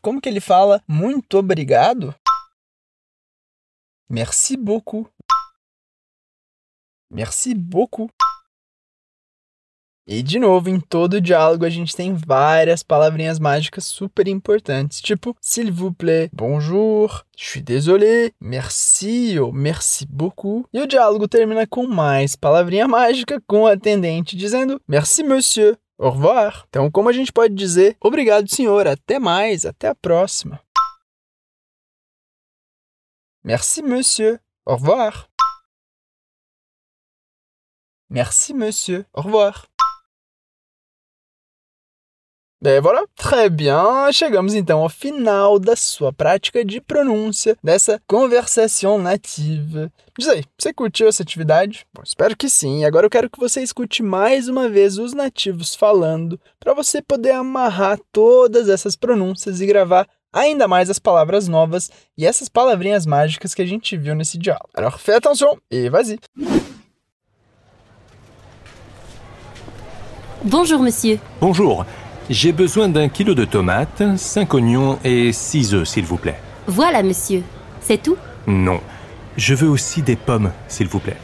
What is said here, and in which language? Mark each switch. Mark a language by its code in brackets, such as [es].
[pt] Como que ele fala muito obrigado? [fr] Merci beaucoup. Merci beaucoup. [pt] E de novo, em todo diálogo, a gente tem várias palavrinhas mágicas super importantes. [fr] Tipo, s'il vous plaît, bonjour, je suis désolé, merci ou merci beaucoup. [pt] E o diálogo termina com mais palavrinha mágica com o atendente dizendo, [fr] merci monsieur. Au revoir. [pt] Então, como a gente pode dizer, obrigado, senhor, até mais, até a próxima. [fr] Merci, monsieur. Au revoir. Merci, monsieur. Au revoir. Et voilà. Très bien. [pt] Chegamos, então, ao final da sua prática de pronúncia, dessa conversação nativa. Diz aí, você curtiu essa atividade? Bom, espero que sim. Agora eu quero que você escute mais uma vez os nativos falando para você poder amarrar todas essas pronúncias e gravar ainda mais as palavras novas e essas palavrinhas mágicas que a gente viu nesse diálogo. [fr] Alors, fais attention et vas-y! Bonjour, monsieur. Bonjour. J'ai besoin d'un kilo de tomates, 5 oignons et 6 œufs, s'il vous plaît. Voilà, monsieur. C'est tout? Non. Je veux aussi des pommes, s'il vous plaît.